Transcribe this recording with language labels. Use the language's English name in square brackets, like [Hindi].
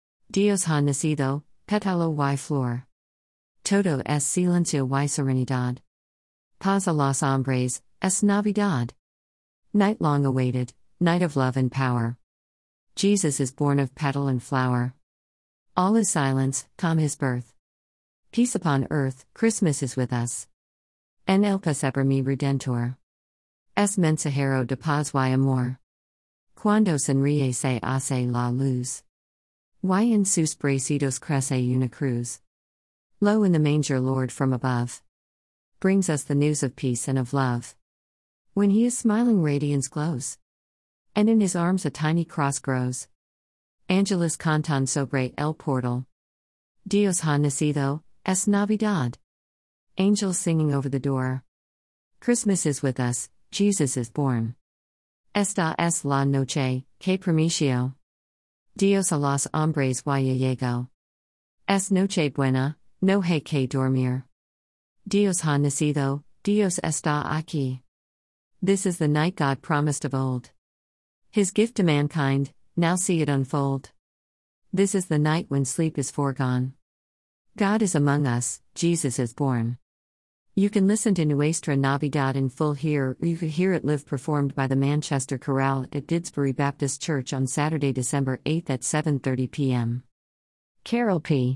[Spanish] Dios ha nacido, pétalo y flor. Todo es silencio y serenidad. Paz a los hombres, es Navidad. [English] Night long awaited, night of love and power. Jesus is born of petal and flower. All is silence, come his birth. Peace upon earth, Christmas is with us. [Spanish] En el pesebre mi redentor. Es mensajero de paz y amor. Cuando sonríe se hace la luz. Y en sus bracitos crece una cruz. [English] Lo in the manger Lord from above brings us the news of peace and of love. When he is smiling radiance glows. And in his arms a tiny cross grows. [Spanish] Angelus cantan sobre el portal. Dios ha nacido, es Navidad. [English] Angels singing over the door. Christmas is with us, Jesus is born. [Spanish] Esta es la noche, que promicio. Dios a los hombres y llego. Es noche buena, no hay que dormir. Dios ha nacido, Dios está aquí. [English] This is the night God promised of old. His gift to mankind, now see it unfold. This is the night when sleep is foregone. God is among us, Jesus is born. You can listen to Nuestra Navidad in full here, or you can hear it live performed by the Manchester Chorale at Didsbury Baptist Church on Saturday, December 8 at 7:30 p.m. Carol P.